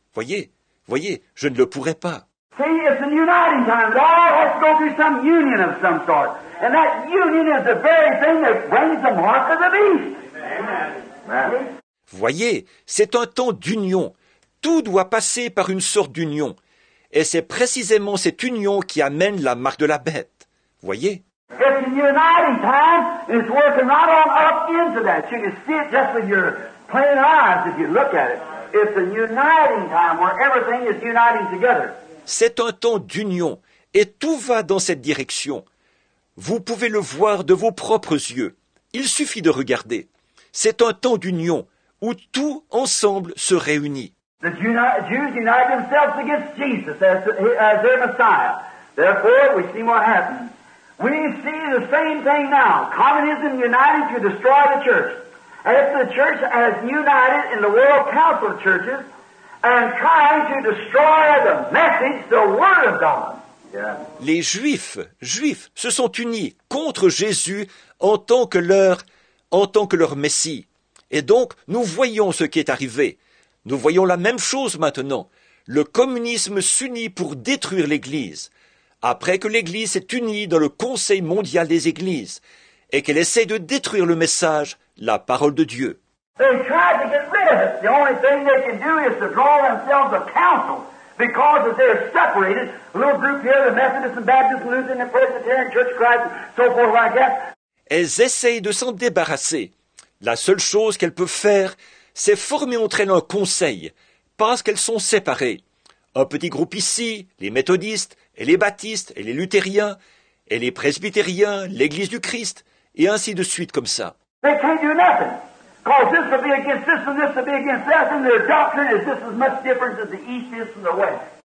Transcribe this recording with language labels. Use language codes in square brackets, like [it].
[fr] Voyez, je ne le pourrais pas. [en] See, it's an uniting time. We all have to go through some union of some sort. And that union is the very thing that brings the mark of the beast. Amen. [fr] Voyez, c'est un temps d'union. Tout doit passer par une sorte d'union. Et c'est précisément cette union qui amène la marque de la bête. Voyez. [en] It's an uniting time. It's working right on up into that. You can see it just with your plain eyes if you look at it. It's a uniting time where everything is uniting together. [fr] C'est un temps d'union et tout va dans cette direction. Vous pouvez le voir de vos propres yeux. Il suffit de regarder. C'est un temps d'union où tout ensemble se réunit. [en] The Jews unite themselves against Jesus as their Messiah. Therefore, we see what happened. We see the same thing now. Communism united to destroy the church. As the church has united in the World Council of Churches and trying to destroy the message, the Word of God. [fr] Les Juifs se sont unis contre Jésus en tant que leur Messie. Et donc, nous voyons ce qui est arrivé. Nous voyons la même chose maintenant. Le communisme s'unit pour détruire l'Église. Après que l'Église s'est unie dans le Conseil mondial des Églises et qu'elle essaie de détruire le message, la parole de Dieu. Ils ont essayé de se débarrasser. La seule chose qu'ils peuvent faire, c'est de se tirer un conseil. [en] Because if they're separated, a little group here, the Methodists and Baptists, Lutheran and Presbyterian, Church of Christ, so forth like that. [fr] Elles essayent de s'en débarrasser. La seule chose qu'elles peuvent faire, c'est former entre elles un conseil, parce qu'elles sont séparées. Un petit groupe ici, les méthodistes et les baptistes et les luthériens et les presbytériens, l'Église du Christ, et ainsi de suite comme ça. [en] They can't do nothing. Because this will be against this will be against that, and their doctrine is just as much different as the East is from the West.